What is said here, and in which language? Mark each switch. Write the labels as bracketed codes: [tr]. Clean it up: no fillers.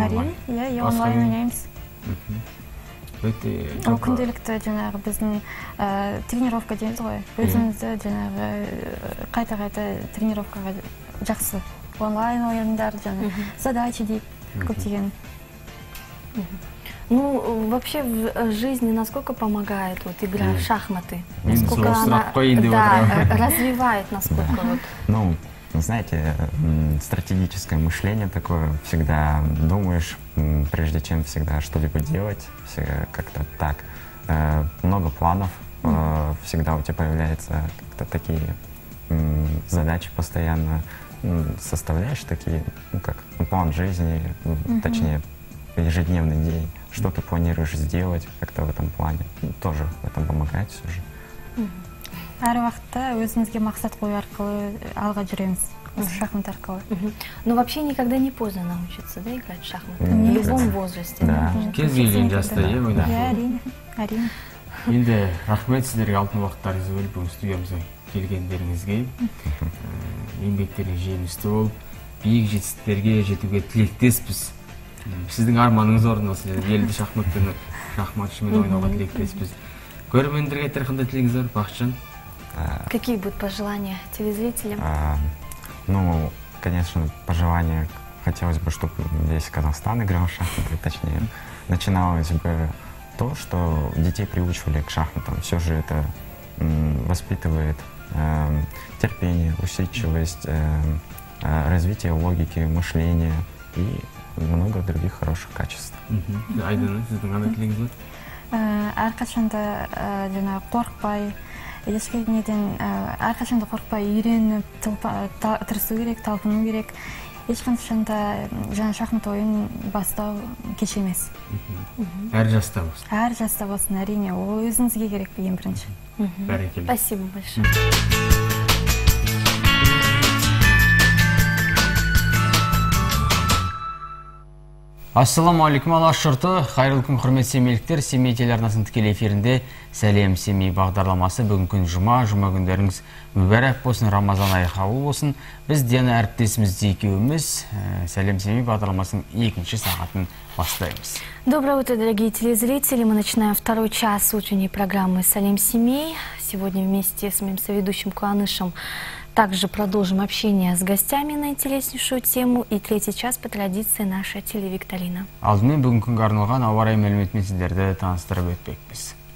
[kk] Әрине, иә, онлайн ойнаймыз. Ол күнделікті жаңағы біздің тренировка дейміз ғой, өзімізді жаңағы қайта қайта тренировкаға жақсы онлайн ойындар, жаңағы задачи дейді көптеген. [ru] Ну, вообще в жизни насколько помогает вот игра в шахматы? Насколько она развивает, насколько вот? Ну, знаете, стратегическое мышление такое, всегда думаешь, прежде чем всегда что-либо делать, всегда как-то так. Много планов, всегда у тебя появляются как-то такие задачи постоянно. Составляешь такие, ну как, план жизни, точнее, ежедневный день. Что ты планируешь сделать как-то в этом плане? Ну, тоже в этом помогает все же. [kk] Әр уақытта өзімізге мақсат қою арқылы алға жүреміз. Шахмат арқылы. [ru] Ну, вообще никогда не поздно научиться, да, играть в шахматы? В любом возрасте. Да. [kk] Кез келген жаста, иә, ойна. Иә, әрине. Әрине. Енді рахмет сіздерге алтын уақыттарыңызды бөліп бүгін студиямызға келгендеріңізге. Еңбектеріңіз жемісті болып, биік жетістіктерге жетуге тілектеспіз. Сіздің арманыңыз орындалсын, елді шахматпен шахматшымен ойнауға тілектеспіз. Көрермендерге айтар қандай тілегіңіз бар, Бақытжан? [ru] Какие будут пожелания телезрителям? Ну, конечно, пожелания. Хотелось бы, чтобы весь Казахстан играл в шахматы, точнее. Начиналось бы то, что детей приучивали к шахматам. Все же это воспитывает терпение, усидчивость, развитие логики, мышления и много других хороших качеств. [kk] Айдана, сіздің қандай тілегіңіз бар? Әрқашанда жаңағы қорықпай, ешкімнен, әрқашанда қорықпай үйреніп тырысу керек, талпыну керек. Ешкіншында жан шахмат ойын бастау кеш емес. Әр жаста болсын. Әр жаста болсын, әрине. Ол өзіңізге керек ең бірінші. Бәрекелі. [ru] Спасибо большое. [kk] Ассаламу алейкум, алаш жұрты. Қайырлы күн, құрметті семейліктер. Семей телеарнасының тікелей эфирінде сәлем семей бағдарламасы. Бүгін күн жұма, жұма күндеріңіз мүбәрәк болсын, Рамазан айы қабыл болсын. Біз Диана әріптесіміз екеуіміз сәлем семей бағдарламасының екінші сағатын бастаймыз. [ru] Доброе утро, дорогие телезрители. Мы начинаем второй час утренней программы «Салем семей». Сегодня вместе с моим соведущим Куанышем также продолжим общение с гостями на интереснейшую тему. И третий час по традиции наша телевикторина. [kk] Алдымен бүгінгі күнге арналған ауа райы мәліметімен сіздерді таныстырып өтпекпіз.